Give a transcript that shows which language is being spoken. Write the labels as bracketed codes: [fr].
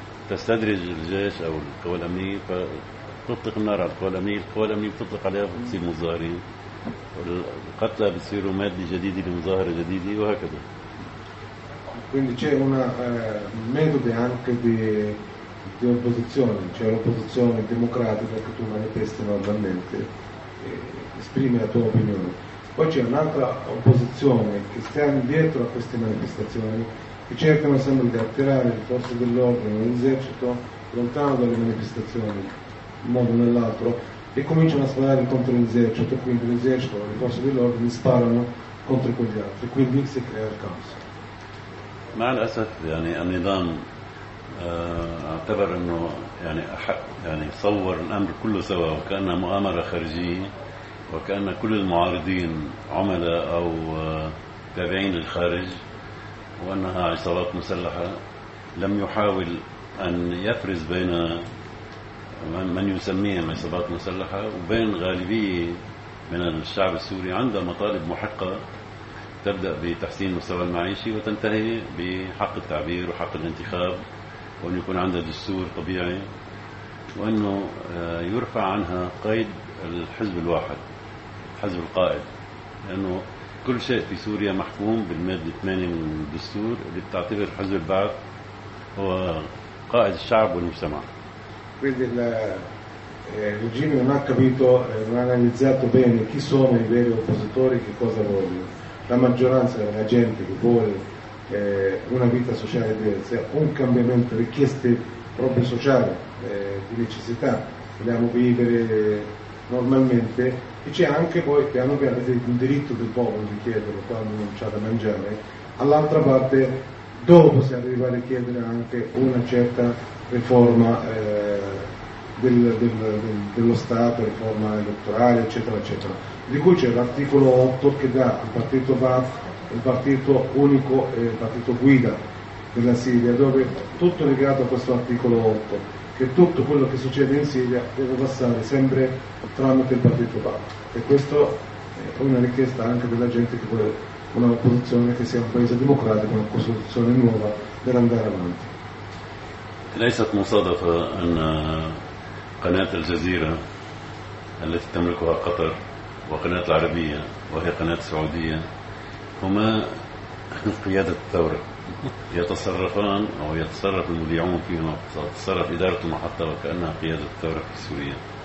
[ar] تستدرج الجيش أو القوى الأمنية فتطلق النار على القوى الأمنية القوى الأمنية بتطلق عليها فتصيب المتظاهرين القتلى بيصيروا مادة جديدة لمظاهرة جديدة وهكذا. [it] Quindi c'è una metodo anche di opposizione, c'è l'opposizione democratica che tu manifesti normalmente, esprime la tua opinione. Poi c'è un'altra opposizione che sta dietro a queste manifestazioni, che cercano sempre di attirare le forze dell'ordine, l'esercito, lontano dalle manifestazioni, in modo o nell'altro. E cominciano a sparare contro l'esercito, quindi l'esercito, le forze dell'ordine sparano contro quegli altri, quindi si crea il caos. [ar] مع الأسف يعني النظام اعتبر انه يعني يعني صور الامر كله سوا وكانها مؤامره خارجيه وكان كل المعارضين عملاء او تابعين للخارج وانها عصابات مسلحه لم يحاول ان يفرز بين من يسميها عصابات مسلحه وبين غالبيه من الشعب السوري عندها مطالب محقه تبدا بتحسين مستوى المعيشه وتنتهي بحق التعبير وحق الانتخاب وان يكون عندها دستور طبيعي وانه يرفع عنها قيد الحزب الواحد حزب القائد لانه كل شيء في سوريا محكوم بالماده 8 من الدستور اللي بتعتبر حزب البعث هو قائد الشعب والمجتمع. [it] Il regime non ha capito, non ha analizzato bene chi sono i veri oppositori e che cosa vogliono. La maggioranza è la gente che vuole una vita sociale diversa, un cambiamento, richieste proprio sociali, di necessità, vogliamo vivere normalmente e c'è anche poi piano piano un diritto del popolo di chiedere quando non c'ha da mangiare. All'altra parte dopo si arriva a richiedere anche una certa riforma dello Stato, riforma elettorale eccetera eccetera, di cui c'è l'articolo 8 che dà al partito BAF il partito unico e il partito guida della Siria, dove tutto legato a questo articolo 8 che tutto quello che succede in Siria deve passare sempre tramite il partito BAF e questo è una richiesta anche della gente che vuole una opposizione che sia un paese democratico, una costituzione nuova per andare avanti. Lei sa come sta facendo [ar] قناة الجزيرة التي تملكها قطر وقناة العربية وهي قناة سعودية هما قيادة الثورة يتصرفان أو يتصرف المذيعون فيهما تتصرف إدارتهم حتى وكأنها قيادة الثورة في سوريا.